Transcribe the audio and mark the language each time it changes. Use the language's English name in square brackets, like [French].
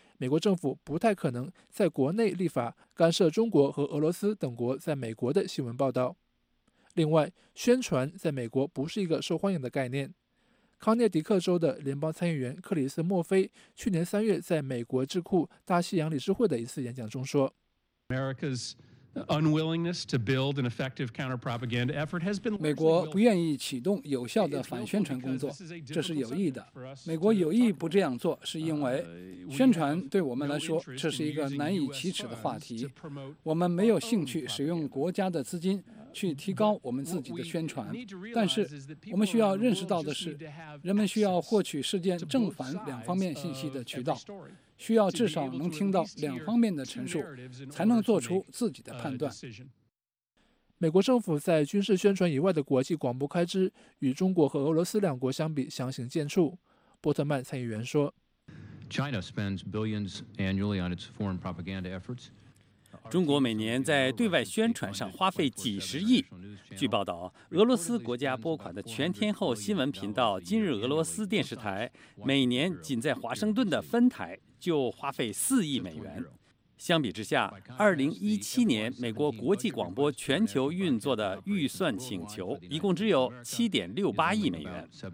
[Chinese] 美国政府不太可能在国内立法干涉中国和俄罗斯等国在美国的新闻报道。另外，宣传在美国不是一个受欢迎的概念。康涅狄克州的联邦参议员克里斯·墨菲去年三月在美国智库大西洋理事会的一次演讲中说 [English] America's unwillingness to build an effective counter-propaganda effort has been [Chinese] 美国不愿意启动有效的反宣传工作，这是有意的。美国有意不这样做，是因为宣传对我们来说这是一个难以启齿的话题，我们没有兴趣使用国家的资金去提高我们自己的宣传。但是我们需要认识到的是，人们需要获取事件正反两方面信息的渠道，需要至少能听到两方面的陈述，才能做出自己的判断。美国政府在军事宣传以外的国际广播开支与中国和俄罗斯两国相比相形见绌。波特曼参议员说 [English] China spends billions annually on its foreign propaganda efforts。 [Chinese] 中国每年在对外宣传上花费几十亿。据报道，俄罗斯国家拨款的全天候新闻频道今日俄罗斯电视台每年仅在华盛顿的分台就花费4亿美元。相比之下，2017年美国国际广播全球运作的预算请求一共只有7.68亿美元。